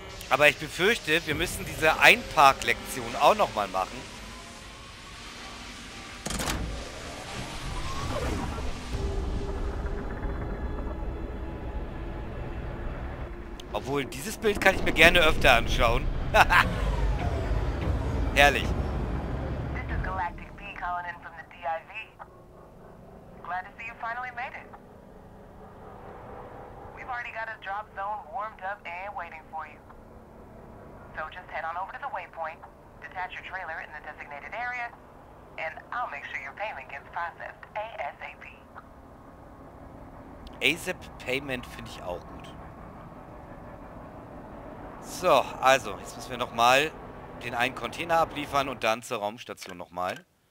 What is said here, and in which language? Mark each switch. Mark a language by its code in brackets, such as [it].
[de] Aber ich befürchte, wir müssen diese Einparklektion auch nochmal machen. Obwohl, dieses Bild kann ich mir gerne öfter anschauen. Herrlich. [en] This is Galactic B calling in from the DIV. Glad to see you finally made it. We've already got a drop zone warmed up and waiting for you. So just head on over to the waypoint, detach your trailer in the designated area, and I'll make sure your payment gets processed ASAP. [de] ASAP Payment finde ich auch gut. So, also, jetzt müssen wir nochmal den einen Container abliefern und dann zur Raumstation nochmal.